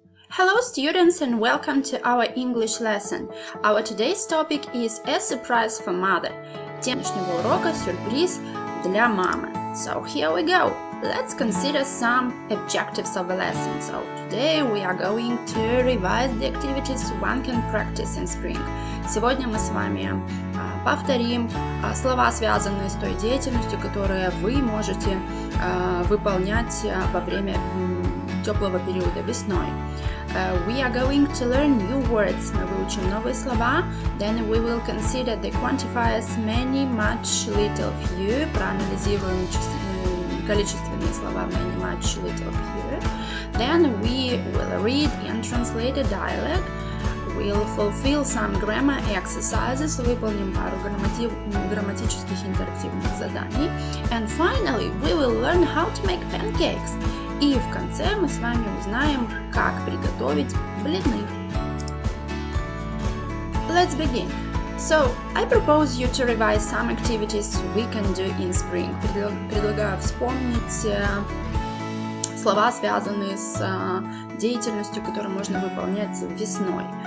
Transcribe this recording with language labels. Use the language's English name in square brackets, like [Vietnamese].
[English] Hello students and welcome to our English lesson. Our today's topic is a surprise for mother. [Russian] Сегодняшнего урока сюрприз для мамы. [English] So here we go. Let's consider some objectives of the lesson. So today we are going to revise the activities one can practice in spring. [Russian] Сегодня мы с вами повторим слова, связанные с той деятельностью, которую вы можете выполнять во время теплого периода весной. [English] We are going to learn new words. [Russian] Мы выучим новые слова. [English] Then we will consider the quantifiers many, much, little, few. [Russian] Проанализируем количественные слова many, much, little, few. [English] Then we will read and translate a dialogue. We'll fulfill some grammar exercises. [Russian] Выполним пару грамматических интерактивных заданий. [English] And finally, we will learn how to make pancakes. [Russian] И в конце мы с вами узнаем, как приготовить блины. [English] Let's begin. So, I propose you to revise some activities we can do in spring. [Russian] Предлагаю вспомнить слова, связанные с деятельностью, которую можно выполнять весной.